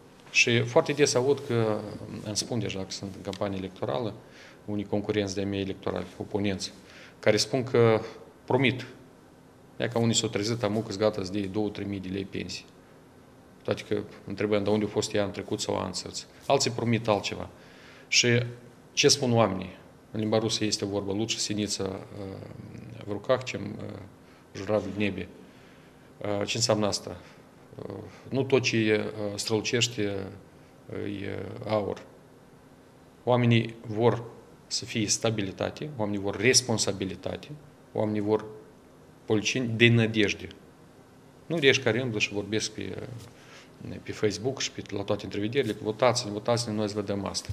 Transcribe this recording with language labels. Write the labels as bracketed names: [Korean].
[Romanian] Și foarte des aud că, îmi spun deja că sunt în campanie electorală, unii concurenți de-a mei electorali, oponenți, care spun că promit, ia ca unii s-au trezit amu că-s gata să dea 2-3 mii de lei pensii. Toate că întrebăm, dar unde au fost ea în trecut sau an sărți? Alții promit altceva. Și ce spun oamenii? În limba rusă este vorba, [Russian] лучше синица в руках, чем журавль в небе. [Romanian] Ce înseamnă asta? Nu tot ce strălucește e aur. Oamenii vor să fie stabilitate, oamenii vor responsabilitate, oamenii vor politicieni de nădejde. Nu de ești care îmblă și vorbesc pe Facebook și la toate întrevederile, că votați-ne, votați-ne, noi îți vedem asta.